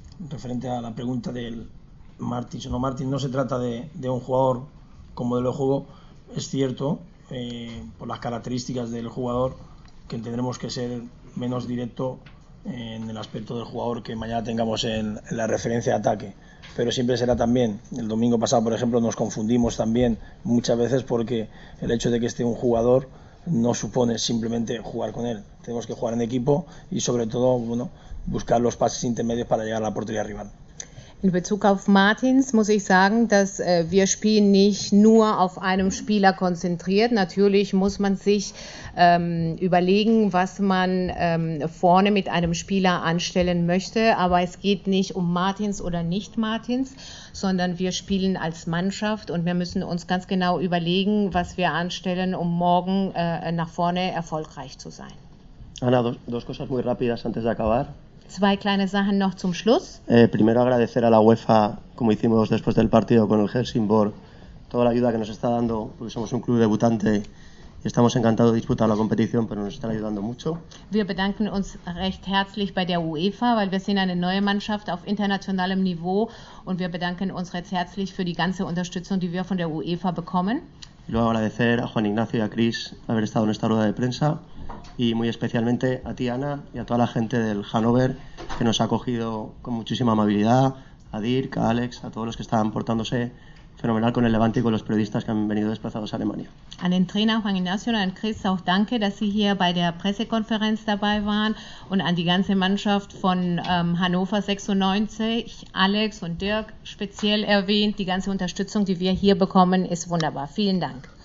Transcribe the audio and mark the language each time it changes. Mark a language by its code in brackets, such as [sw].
[es] Referente a la pregunta del Martins o no Martins, no se trata de un jugador como de los juegos, es cierto, por las características del jugador, que tendremos que ser menos directo en el aspecto del jugador que mañana tengamos en la referencia de ataque. Pero siempre será también, el domingo pasado, por ejemplo, nos confundimos también muchas veces porque el hecho de que esté un jugador no supone simplemente jugar con él. Tenemos que jugar en equipo y sobre todo, bueno, buscar los pases intermedios para llegar a la portería rival. [de] In Bezug auf Martins muss ich sagen, dass wir spielen nicht nur auf einem Spieler konzentriert. Natürlich muss man sich überlegen, was man vorne mit einem Spieler anstellen möchte. Aber es geht nicht um Martins oder nicht Martins, sondern wir spielen als Mannschaft und wir müssen uns ganz genau überlegen, was wir anstellen, um morgen nach vorne erfolgreich zu sein. [es] Ana, dos cosas muy rápidas antes de acabar. [de] Zwei kleine Sachen noch zum Schluss. [es] Primero agradecer a la UEFA, como hicimos después del partido con el Helsingborg, toda la ayuda que nos está dando, porque somos un club debutante y estamos encantados de disputar la competición, pero nos están ayudando mucho. [de] Wir bedanken uns recht herzlich bei der UEFA, weil wir sind eine neue Mannschaft auf internationalem Niveau und wir bedanken uns recht herzlich für die ganze Unterstützung, die wir von der UEFA bekommen. [es] Y luego agradecer a Juan Ignacio y a Chris haber estado en esta rueda de prensa. Y muy especialmente a ti, Ana, y a toda la gente del Hannover, que nos ha acogido con muchísima amabilidad, a Dirk, a Alex, a todos los que están portándose fenomenal con el Levante y con los periodistas que han venido desplazados a Alemania. [de] An den Trainer Juan Ignacio und an Chris auch danke, dass sie hier bei der Pressekonferenz dabei waren und an die ganze Mannschaft von Hannover 96, Alex und Dirk speziell erwähnt, die ganze Unterstützung, die wir hier bekommen, ist wunderbar. Vielen Dank.